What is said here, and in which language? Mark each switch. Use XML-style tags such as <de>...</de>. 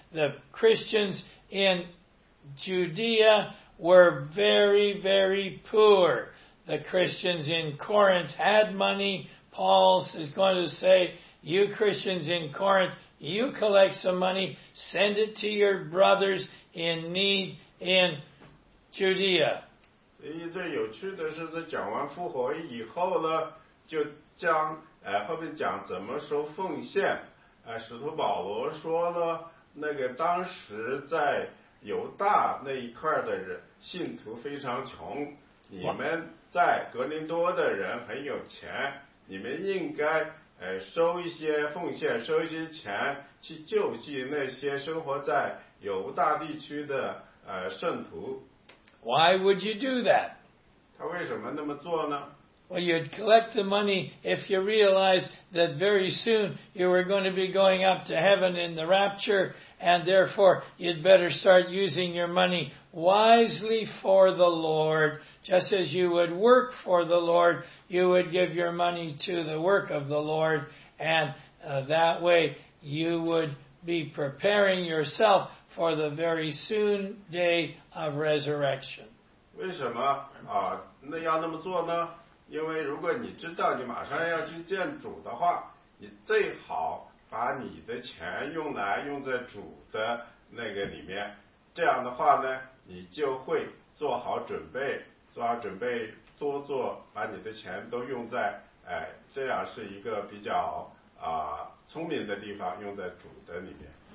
<en>The Christians in Judea were very, very poor. The Christians in Corinth had money. Paul is going to say, you Christians in Corinth, you collect some money, send it to your brothers in need in Judea.</en> <zh>最有趣的是在讲完复活以后呢，就将后面讲怎么收奉献。使徒保罗说呢，那个当时在犹大那一块的人信徒非常穷，你们在格林多的人很有钱，你们应该收一些奉献，收一些钱去救济那些生活在犹大地区的圣徒。</zh> <en>Why would you do that?</en> <zh>他为什么那么做呢？</zh> <en>Well, you'd collect the money if you realized that very soon you were going to be going up to heaven in the rapture, and therefore you'd better start using your money wisely for the Lord. Just as you would work for the Lord, you would give your money to the work of the Lord, and that way you would be preparing yourself for the very soon day of resurrection.</en> <zh>为什么那要那么做呢？因为如果你知道你马上要去见主的话，你最好把你的钱用在主的那个里面，这样的话呢，你就会做好准备，做好准备，多做，把你的钱都用在，哎，这样是一个比较聪明的地方，用在主的里面。</zh>